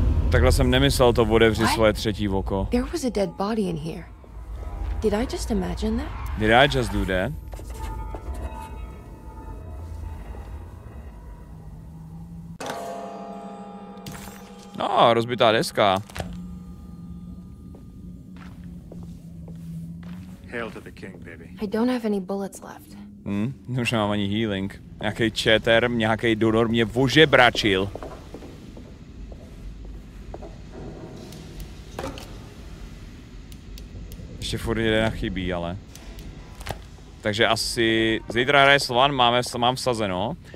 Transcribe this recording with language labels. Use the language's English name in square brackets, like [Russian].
[Czech] Takhle jsem nemyslel to otevřít svoje třetí oko. [English] There was a dead body in here. Did I just imagine that? Did I just do that? [Czech] No, rozbitá deska. [English] Hail to the king, baby. I don't have any bullets left. [Czech] Už nemám ani healing. Nějakej četer, nějakej donor mě vožebračil. Ještě furt jedna chybí, ale... takže asi zítra hraje Slovan, mám vsazeno.